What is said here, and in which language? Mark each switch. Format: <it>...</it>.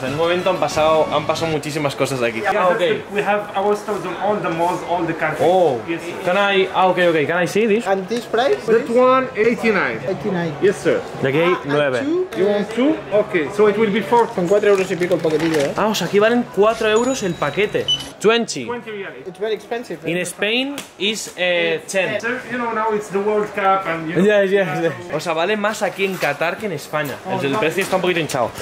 <es>En un momento han pasado muchísimas cosas aquí.</es> <en>Yeah, okay. We have our stores on all the malls, all the countries. Oh, yes, sir. Can I, okay, can I see this? And this price? That one, 89. 89. Yes, sir.</en> <es>De aquí, 9.</es> <en>You want 2? Okay, so it will be 4.</en> <es>Son 4 euros y pico el paquetillo, eh. Ah, o sea, aquí valen 4 euros el paquete. 20. Reales.</es> <en>It's very expensive. In Spain is 10. So, you know, now it's the World Cup and you know, yes.</en> <es>O sea, vale más aquí en Qatar que en España. Oh, el precio está un poquito hinchado.</es>